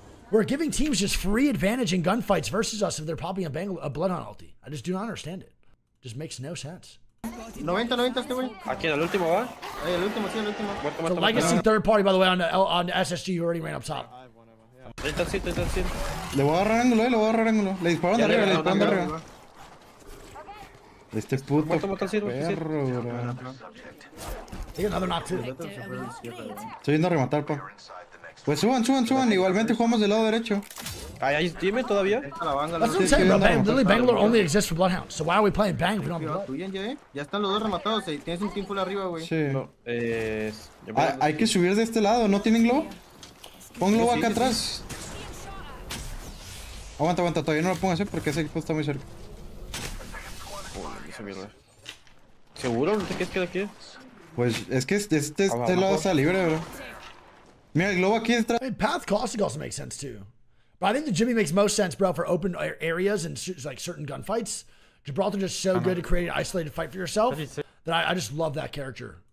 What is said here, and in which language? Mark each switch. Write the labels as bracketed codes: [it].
[en] We're giving teams just free advantage in gunfights versus us if they're popping a Bloodhound ulti. I just do not understand it. Just makes no sense. 90 [es] este wey. Aquí el último, [en] Legacy third party, by the way, on SSG, who already ran up top. [es] Le voy a agarrar ángulo, le voy a agarrar ángulo. Le dispararon de arriba, le dispararon de arriba. Este puto perro, bro. [en] Take another knock too. [es] Estoy yendo a rematar, pa. Pues suban. Igualmente jugamos del lado derecho. Ay, ahí dime todavía. [en] That's what I'm saying, bro. Literally, Bangalore only exists for Bloodhound. So why are we playing Bang if we don't have Bloodhound? [es] Ya están los dos rematados. Tienes un team full arriba, güey. Sí. No, Hay que subir de este lado. ¿No tienen globo? Pon globo acá atrás. Aguanta. Todavía no lo pongas, porque ese equipo está muy cerca. Joder, esa mierda. ¿Seguro? ¿No te quieres quedar aquí? Pues es que este lado está libre, bro. [en] I mean, path caustic also makes sense too. But I think the Jimmy makes most sense, bro, for open areas and like certain gunfights. Gibraltar just so good at creating an isolated fight for yourself that I just love that character.